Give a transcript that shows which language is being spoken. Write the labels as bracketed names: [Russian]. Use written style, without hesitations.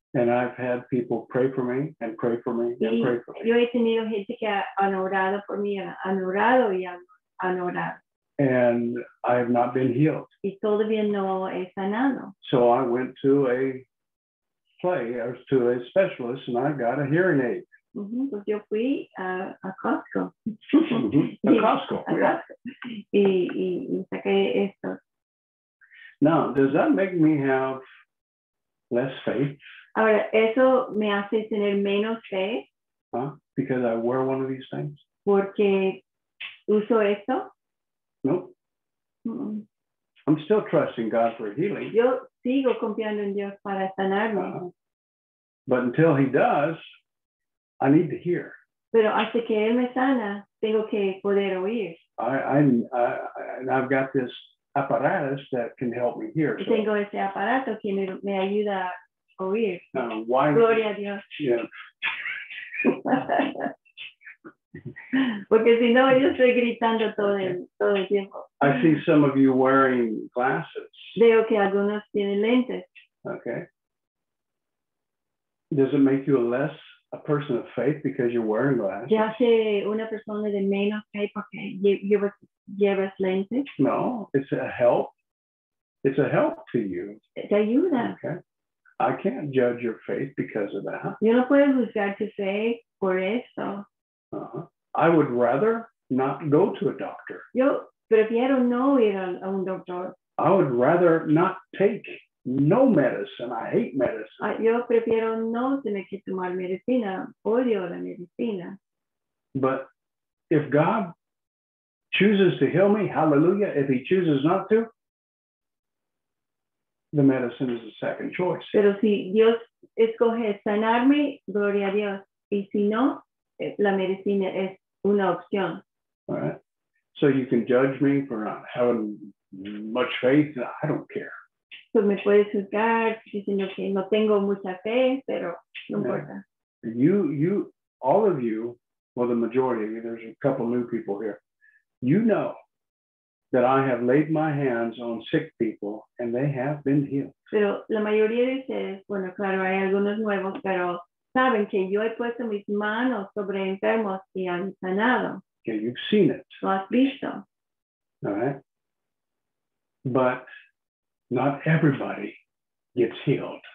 [English] And I've had people pray for me and pray for me and pray for me. [Spanish] Yo he tenido gente que han orado por mí, han orado y han orado. [English] And I have not been healed. [Spanish] Y todavía no he sanado. [English] So I went to a specialist and I got a hearing aid. [Spanish] Mm-hmm. Pues yo fui a Costco. Mm-hmm. A Costco. Y saqué esto. [English] Now, does that make me have less faith? [Spanish] Ahora, ¿eso me hace tener menos fe? [English] Because I wear one of these things? [Spanish] ¿Porque uso esto? [English] No. Mm-hmm. I'm still trusting God for healing. [Spanish] Yo sigo confiando en Dios para sanarme. [English] But until he does, I need to hear. [Spanish] Pero hasta que él me sana, tengo que poder oír. [English] I've got this apparatus that can help me hear. [Spanish] Y tengo este aparato que me ayuda a oír. [English] Why? [Spanish] Gloria a Dios. [English] Yeah. [Spanish] Porque si no, yo estoy gritando todo el tiempo. [English] I see some of you wearing glasses. [Spanish] Veo que algunos tienen lentes. [English] Okay. Does it make you a person of faith because you're wearing glasses? [Spanish] ¿Ya hace una persona de menos fe porque llevas lentes? [English] No, it's a help. It's a help to you. [Spanish] Te ayuda. [English] Okay. I can't judge your faith because of that. [Spanish] Yo no puedo juzgar tu fe por eso. [English] I would rather not go to a doctor. [Spanish] Yo prefiero no ir a un doctor. [English] I would rather not take no medicine. I hate medicine. [Spanish] Yo prefiero no tener que tomar medicina. Odio la medicina. [English] But if God chooses to heal me, hallelujah. If he chooses not to, the medicine is a second choice. [Spanish] Pero si Dios escoge sanarme, gloria a Dios. Y si no, la medicina es una opción. [English] All right. So you can judge me for not having much faith. I don't care. [Spanish] So me puedes juzgar diciendo que no tengo mucha fe, pero no importa. [English] You, all of you, well, the majority, there's a couple new people here. You know that I have laid my hands on sick people and they have been healed. [Spanish] Pero la mayoría de ustedes, bueno, claro, hay algunos nuevos, pero saben que yo he puesto mis manos sobre enfermos y han sanado. [English] Okay, you've seen it. [Spanish] Lo has visto. [English] All right. But not everybody gets healed.